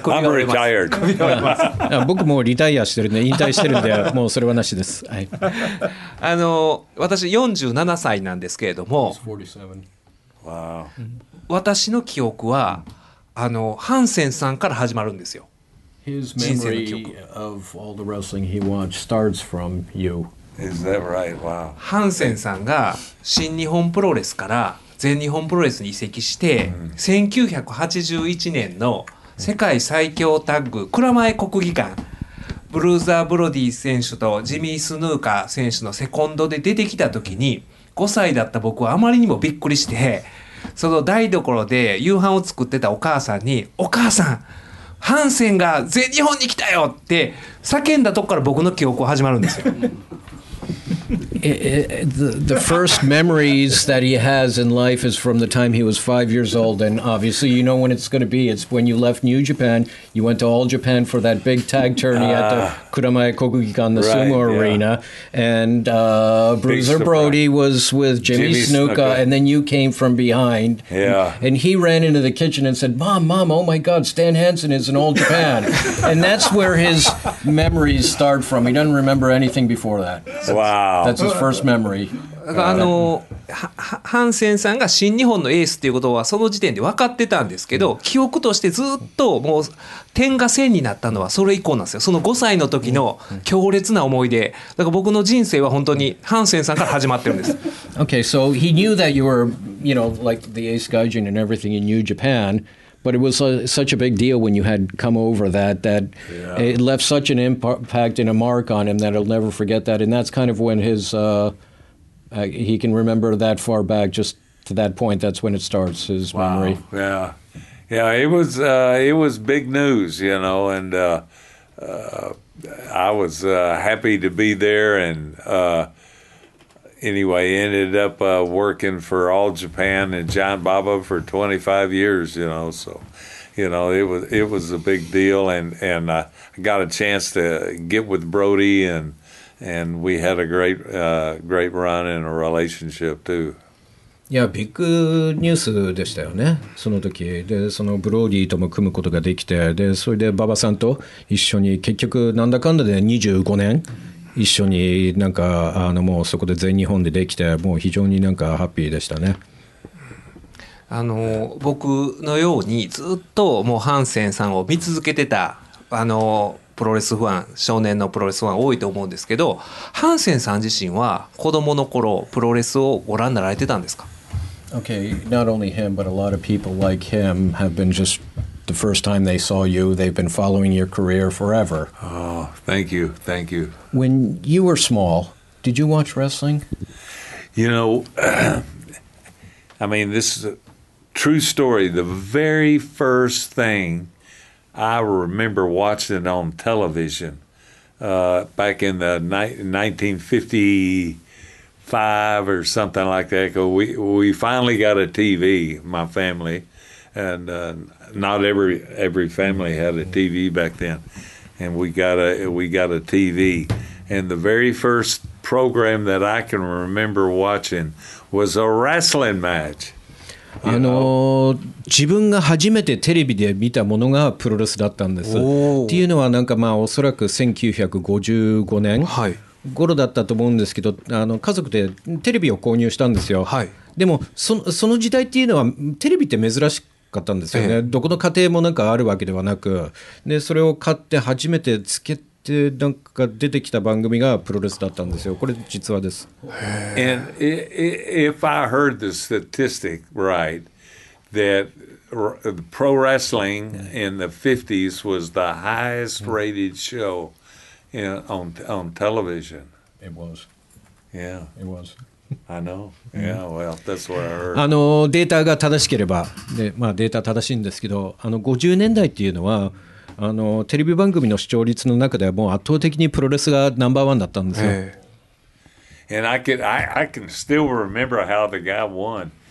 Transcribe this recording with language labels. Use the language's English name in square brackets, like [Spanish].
[Japanese] 首が折れます。 [English] I'm retired. [Japanese] 僕もうリタイアしてるんで引退してるんでもうそれはなしです。はい、あの私47歳なんですけれども、 [English] wow. [Japanese] 私の記憶はあのハンセンさんから始まるんですよ。 [English] His memory of all the wrestling he watched starts from you. Is that right? Wow. [Japanese] ハンセンさんが新日本プロレスから全日本プロレスに移籍して1981年の世界最強タッグ蔵前国技館ブルーザーブロディ選手とジミー・スヌーカー選手のセコンドで出てきた時に5歳だった僕はあまりにもびっくりしてその台所で夕飯を作ってたお母さんにお母さんハンセンが全日本に来たよって叫んだとこから僕の記憶が始まるんですよ [English] The first memories that he has in life is from the time he was 5 years old, and obviously you know when it's going to be. It's when you left New Japan. You went to All Japan for that big tag tourney at the Kuramae Kokugikan, the right, Sumo Arena, yeah. And Bruiser Brody was with Jimmy Snuka, and then you came from behind. Yeah. And he ran into the kitchen and said, Mom, oh my God, Stan Hansen is in All Japan. And that's where his memories start from. He doesn't remember anything before that. Wow. That's his first memory. [Japanese] あのハンセンさんが新日本のエースっていうことはその時点で分かってたんですけど記憶としてずっともう点が線になったのはそれ以降なんですよその5歳の時の強烈な思い出だから僕の人生は本当にハンセンさんから始まってるんです [English] Okay, so he knew that you were, you know, like the ace gaijin and everything in New Japan but it was such a big deal when you had come over that it left such an impact and a mark on him that he'll never forget that and that's kind of when his he can remember that far back, just to that point. That's when it starts his wow. memory. Yeah, yeah. It was big news, you know. And I was happy to be there. And anyway, ended up working for All Japan and Giant Baba for 25 years. You know, so you know it was a big deal. And I got a chance to get with Brody and. And we had a great run and a relationship too. [Japanese] いやビッグニュースでしたよね、その時で、そのブローディーとも組むことができて、でそれで馬場さんと一緒に結局なんだかんだで25年一緒に、なんかあのもうそこで全日本でできて、もう非常になんかハッピーでしたね。あの僕のようにずっともうハンセンさんを見続けてたあのプロレスファン、少年のプロレスファン多いと思うんですけど、ハンセンさん自身は子どもの頃プロレスをご覧になられてたんですか？ [English] OK, not only him, but a lot of people like him have been just the first time they saw you, they've been following your career forever. Oh, thank you, thank you. When you were small, did you watch wrestling? You know, I mean, this is a true story. The very first thing I remember watching on television back in the 1955 or something like that. We finally got a TV, my family, and not every family had a TV back then. And we got a TV. And the very first program that I can remember watching was a wrestling match. [Japanese] あの自分が初めてテレビで見たものがプロレスだったんですっていうのは、なんかまあおそらく1955年頃だったと思うんですけど、あの家族でテレビを購入したんですよ、はい、でも その時代っていうのはテレビって珍しかったんですよね、どこの家庭もなんかあるわけではなく、でそれを買って初めてつけて、なんか出てきた番組がプロレスだったんですよ、これ実話です。 [English] And if I heard the statistic right, that pro wrestling in the 50s was the highest rated show on television. It was. Yeah. It was. I know. Yeah, well, that's what I heard. [Japanese] あのデータが正しければ、でまあデータ正しいんですけど、あの50年代っていうのは、あのテレビ番組の視聴率の中ではもう圧倒的にプロレスがナンバーワンだったんですよ。 [English] Hey. And I can still remember how the guy won.